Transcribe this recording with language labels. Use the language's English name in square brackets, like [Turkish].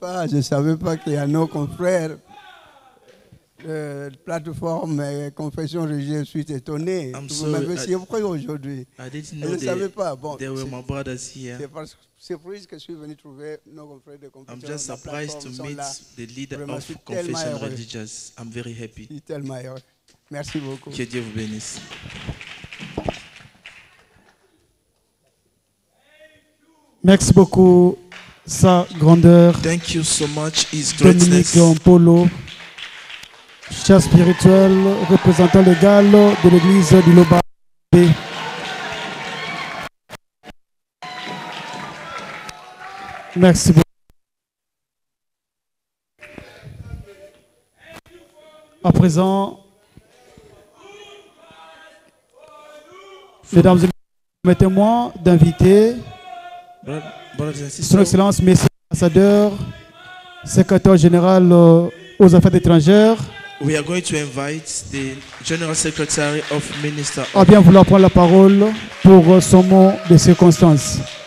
[French] Je ne savais pas qu'il y a nos confrères de plateforme et confession religieuse. Je suis étonné. Vous m'avez dit pourquoi aujourd'hui. Je ne savais pas. Bon, [English] there were my brothers here. [French] C'est parce que c'est pour ça que je suis venu trouver nos confrères de confession religieuse. [English] I'm just surprised to meet the leader of confession religious. I'm very happy. [French] Je suis tellement heureux. Merci beaucoup. Que Dieu vous bénisse. Merci beaucoup. Sa grandeur. [English] Thank you so much, His greatness. [French] Dominique Ampolo, chef spirituel, représentant légal de l'église du Loba. Merci beaucoup. À présent, mesdames et messieurs, permettez-moi d'inviter Son Excellence, Monsieur l'Ambassadeur, Secrétaire Général aux Affaires étrangères. [English] We are going to invite the General Secretary of Minister. [French] À bien vouloir prendre la parole pour son mot de circonstance.